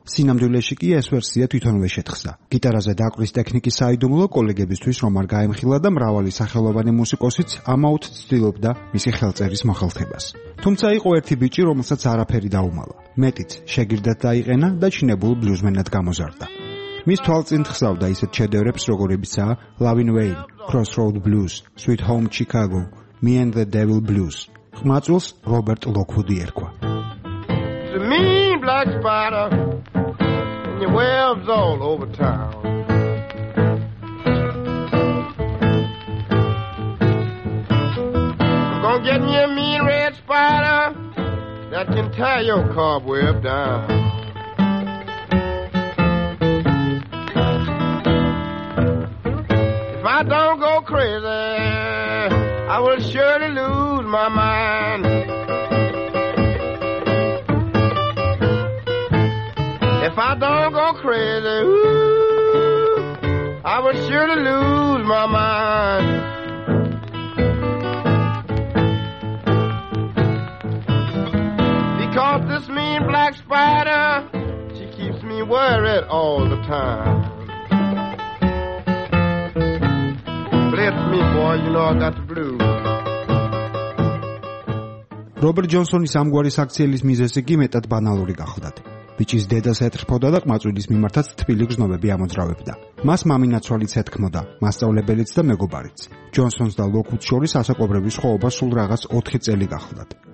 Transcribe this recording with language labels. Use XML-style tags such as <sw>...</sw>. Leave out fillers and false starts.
<ka>სინამდვილეში კი ეს ვერსია თვითონვე შეთხზა. გიტარაზე დაკვრის ტექნიკის საიდუმლო კოლეგებისთვის რომ არ გაემხილა და მრავალი სახელოვანი მუსიკოსიც ამაუთ ცდილობდა მისი ხელწერის მოხალთებას. თუმცა იყო ერთი ბიჭი, რომელსაც არაფერი დაუმალა. მეტიც შეგირდად დაიყენა და ჩინებულ ბლუზმენად გამოზარდა. მის თვალწინ ხსავდა ისეთ შედევრებს, როგორებიცაა Lovin' Way, Crossroad Blues, Sweet Home Chicago, Me and the Devil Blues. ხმაწვილს რობერტ ლოკვუდი ერქვა.</ka> <en>The mean black spider and your webs all over town. Gonna get me a mean red spider that can tie your cobweb down. If I don't go crazy, I will surely lose my mind. If I don't go crazy, ooh, I will surely lose my mind. Caught this mean black spider, she keeps me worried all the time. Bless me, boy, you know I got the blues.</en> <ka>Robert Johnson-ის ამგვარი საქციელის მიზეზი კი მეტად ბანალური გახლდათ. ბიჭის დედას ეთრფოდა და ყმაწვილის მიმართაც თბილი გრძნობები ამოძრავებდა. მას მამინაცვალიც ეთქმოდა, მასწავლებელიც და მეგობარიც. ჯონსონს და ლოკუტს შორის ასაკობრების ხოვობა სულ რაღაც 4 წელი გახლდათ.</ka>